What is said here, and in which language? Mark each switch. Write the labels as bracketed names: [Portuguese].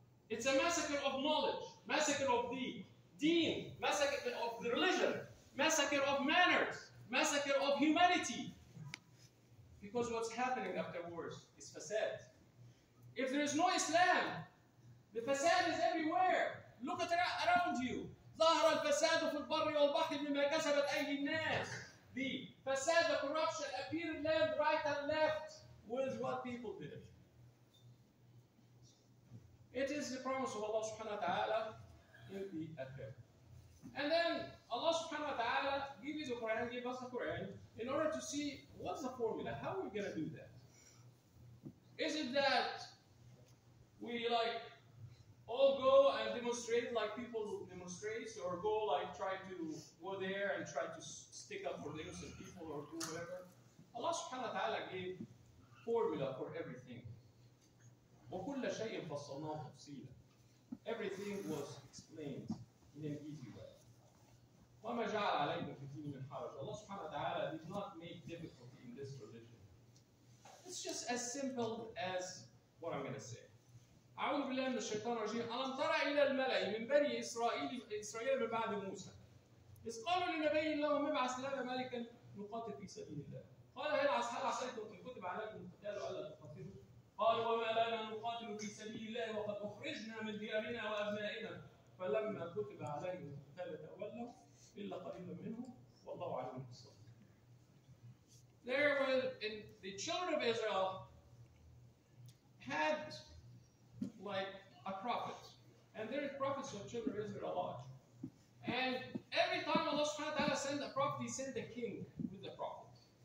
[English] It's a massacre of knowledge, massacre of the deen, massacre of the religion, massacre of manners, massacre of humanity. Because what's happening afterwards is facade. If there is no Islam, the facade is everywhere. Look at around you. [Arabic] ظهر الفساد في البر والبحر مما كسبت أيدي الناس. [English] The facade, the corruption appeared left, right and left. What is what people did? It is the promise of Allah subhanahu wa ta'ala in the affair. And then Allah subhanahu wa ta'ala gave you the Quran, gave us the Quran, in order to see what's the formula, how are we going to do that? Is it that we like all go and demonstrate like people demonstrate, or go like try to go there and try to stick up for the innocent people or do whatever. Allah subhanahu wa ta'ala gave formula for everything. [Arabic] وَكُلَّ شَيْءٍ فَصَّلْنَاهُ تَفْصِيلًا. [English] Everything was explained in an easy way. [Arabic] وَمَا جَعَلَ عَلَيْكُمْ فِي الدِّينِ مِنْ حَرَجٍ. [English] Allah subhanahu wa ta'ala did not make difficulty in this religion. It's just as simple as what I'm going to say. [Arabic] أعوذ بالله من الشيطان الرجيم. ألم ترى إلى الملأ من بني إسرائيل إسرائيل من بعد موسى إذ قالوا لنبي الله مبعث لنا ملكا نقاتل في سبيل الله قال هل عسيتم إن كتب عليكم القتال ألا تقاتلوا قالوا وما لنا نقاتل في سبيل الله وقد أخرجنا من ديارنا وأبنائنا فلما كتب عليهم القتال تولوا إلا قليلا منهم والله عليم بالصبر. [English] There were in the children of Israel had like a prophet. And there is prophets of children of Israel a lot. And every time Allah subhanahu wa ta'ala sent a prophet, he sent a king with the prophet.